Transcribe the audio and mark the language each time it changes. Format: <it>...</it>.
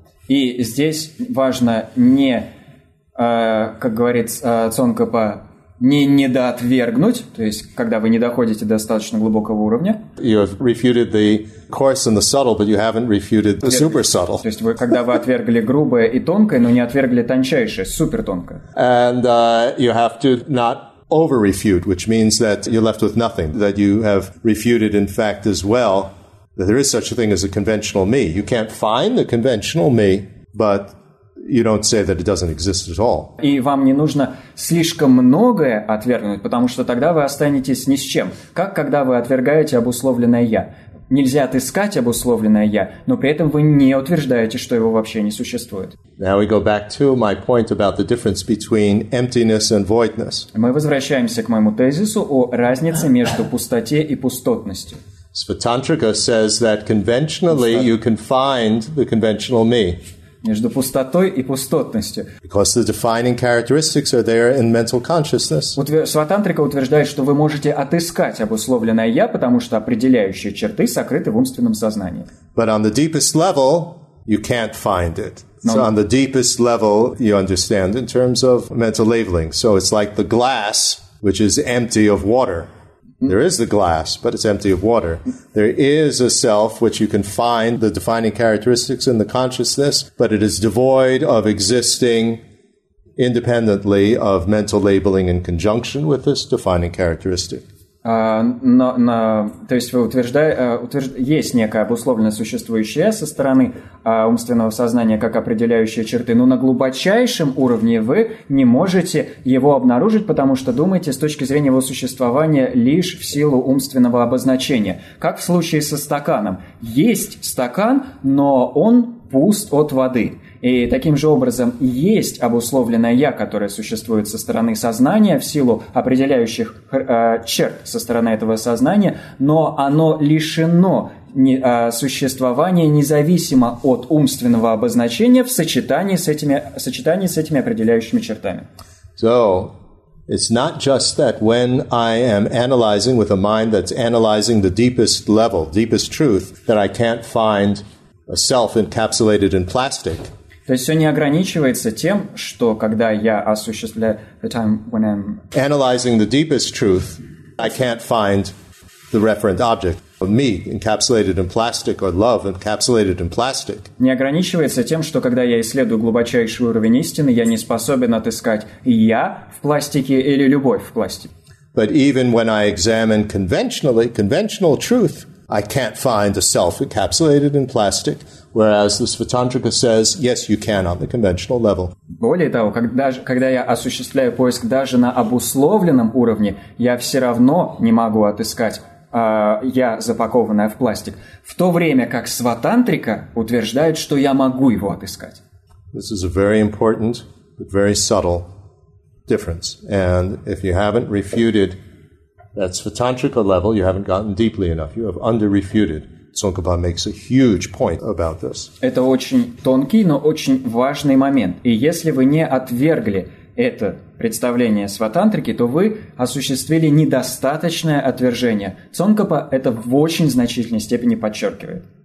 <ru>И здесь важно не, как говорит Цонкапа, не недоотвергнуть, то есть когда вы не доходите до достаточно глубокого уровня.</ru> <en>You have refuted the coarse and the subtle, but you haven't refuted the super subtle.</en> <ru>То есть когда вы отвергли грубое и тонкое, но не отвергли тончайшее, супер тонкое.</ru> <en>And you have to not over-refute, which means that you're left with nothing, that you have refuted in fact as well. That there is such a thing as a conventional me. You can't find the conventional me, but you don't say that it doesn't exist at all.</en> <ru>И вам не нужно слишком многое отвергнуть, потому что тогда вы останетесь ни с чем. Как когда вы отвергаете обусловленное я? Нельзя отыскать обусловленное я, но при этом вы не утверждаете, что его вообще не существует.</ru> <en>Now we go back to my point about the difference between emptiness and voidness.</en> <ru>Мы возвращаемся к моему тезису о разнице между пустоте и пустотностью.</ru> <en>Svatantrika says that conventionally you can find the conventional me.</en> <ru>Между пустотой и пустотностью.</ru> <en>Because the defining characteristics are there in mental consciousness.</en> <ru>Svatantrika утверждает, что вы можете отыскать обусловленное я, потому что определяющие черты сокрыты в умственном сознании.</ru> <en>But on the deepest level, you can't find it. So on the deepest level, you understand in terms of mental labeling. So it's like the glass, which is empty of water. There is the glass, but it's empty of water. There is a self which you can find the defining characteristics in the consciousness, but it is devoid of existing independently of mental labeling in conjunction with this defining characteristic.</en> <ru>То есть вы есть некое обусловленно существующее со стороны умственного сознания как определяющие черты, но на глубочайшем уровне вы не можете его обнаружить, потому что думаете с точки зрения его существования лишь в силу умственного обозначения. Как в случае со стаканом. Есть стакан, но он пуст от воды. И таким же образом есть обусловленное «я», которое существует со стороны сознания в силу определяющих черт со стороны этого сознания, но оно лишено существования независимо от умственного обозначения в сочетании с этими, определяющими чертами.</ru> <en>So, it's not just that when I am analyzing with a mind that's analyzing the deepest level, deepest truth, that I can't find a self encapsulated in plastic.</en> <ru>То есть все не ограничивается тем, что когда я осуществляю</ru> <en>the time when I'm analyzing the deepest truth, I can't find the referent object of me encapsulated in plastic or love encapsulated in plastic.</en> <ru>Не ограничивается тем, что когда я исследую глубочайший уровень истины, я не способен отыскать я в пластике или любовь в пластике.</ru> <en>But even when I examine conventional truth, I can't find a self encapsulated in plastic, whereas the Svatantrika says, yes, you can on the conventional level.</en> <ru>Более того, когда я осуществляю поиск даже на обусловленном уровне, я все равно не могу отыскать я, запакованное в пластик, в то время как Сватантрика утверждает, что я могу его отыскать.</ru> <en>This is a very important, but very subtle difference. And if you haven't refuted that Svatantrika level, you haven't gotten deeply enough. You have under-refuted. Tsongkhapa makes a huge point about this.</en> <ru>Это очень тонкий, но очень важный момент. И если вы не отвергли это представление Сватантрики, то вы осуществили недостаточное отвержение. Цонкапа это в очень значительной степени подчеркивает.</ru>